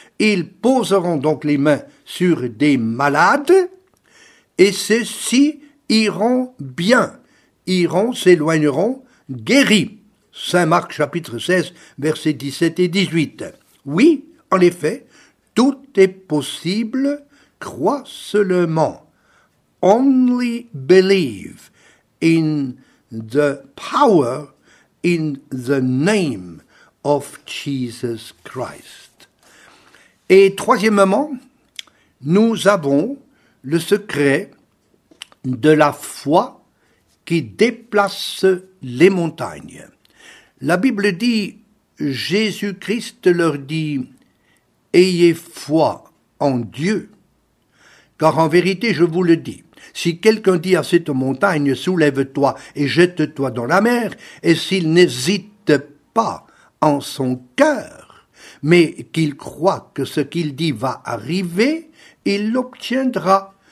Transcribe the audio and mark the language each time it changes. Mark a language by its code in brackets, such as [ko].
[fr] Ils poseront donc les mains sur des malades, et ceux-ci iront bien, iront, s'éloigneront, guéris. Saint Marc chapitre 16, versets 17 et 18. Oui, en effet, tout est possible, crois seulement. [en] Only believe in the power, in the name of Jesus Christ. [fr] Et troisièmement, nous avons le secret de la foi qui déplace les montagnes. La Bible dit, Jésus-Christ leur dit, « Ayez foi en Dieu, car en vérité, je vous le dis, si quelqu'un dit à cette montagne, « Soulève-toi et jette-toi dans la mer », et s'il n'hésite pas en son cœur, mais qu'il croit que ce qu'il dit va arriver, il l'obtiendra.